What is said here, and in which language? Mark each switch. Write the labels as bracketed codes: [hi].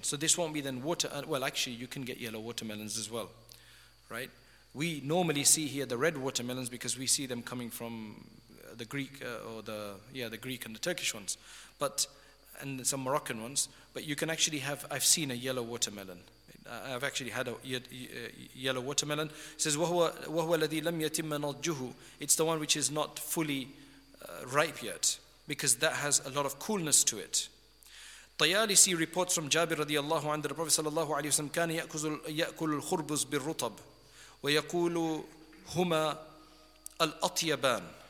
[en] So this won't be then water, well actually you can get yellow watermelons as well, right? We normally see here the red watermelons because we see them coming from the Greek the Greek and the Turkish ones, but and some Moroccan ones. But you can actually have, I've seen a yellow watermelon. It I've actually had a yellow watermelon. It says [ar] وهو الذي لم يتم نضجه. [en] It's the one which is not fully ripe yet, because that has a lot of coolness to it. Tayalisi reports from Jabir radiyallahu anhu, the Prophet sallallahu alaihi wasallam [ar] كان يأكل الخربز بالرطب ويقول هما الأطيبان.